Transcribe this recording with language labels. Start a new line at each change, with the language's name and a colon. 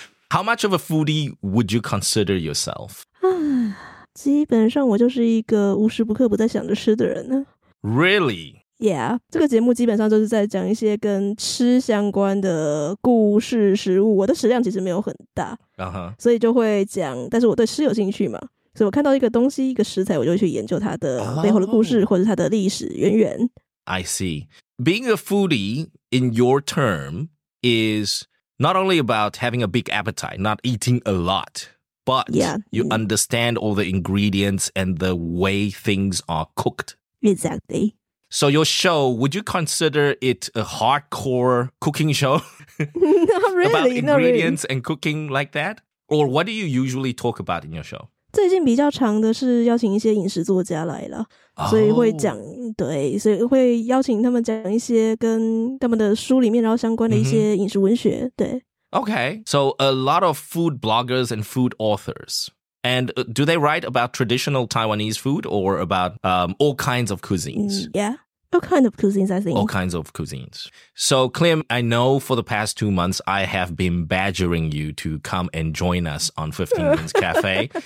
English: How much of a foodie would you consider yourself?
Chinese: 基本上我就是一个无时不刻不在想着吃的人呢。
English: Really? Yeah.
Chinese: 这个节目基本上就是在讲一些跟吃相关的故事、食物。我的食量其实没有很大。所以就会讲，但是我对吃有兴趣嘛，所以我看到一个东西、一个食材，我就会去研究它的背后的故事、或者它的历史渊源。
English: I see. Being a foodie in your term is not only about having a big appetite, not eating a lot, but you understand all the ingredients and the way things are cooked. Exactly. So your show, would you consider it a hardcore cooking show? Not really. And cooking like that? Or what do you usually talk about in your show?
Chinese: 最近比较常的是邀请一些饮食作家来了、所以会讲对，所以会邀请他们讲一些跟他们的书里面然后相关的一些饮食文学、mm-hmm. 对
English: Okay, so a lot of food bloggers and food authors. And do they write about traditional Taiwanese food or about all kinds of cuisines? Yeah. All kinds of cuisines, I think. All kinds of cuisines. So, Klim, I know for the past 2 months, I have been badgering you to come and join us on 15Mins Cafe.